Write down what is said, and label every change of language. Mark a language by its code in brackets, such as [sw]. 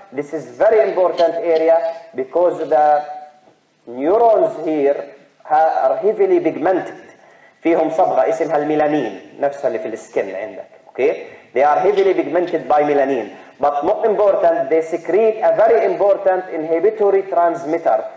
[en] This is very important area because the neurons here are heavily pigmented. [ar] فيهم صبغة اسمها الميلانين نفسها اللي في السكن عندك. [en] Okay? They are heavily pigmented by melanin. But more important, they secrete a very important inhibitory transmitter.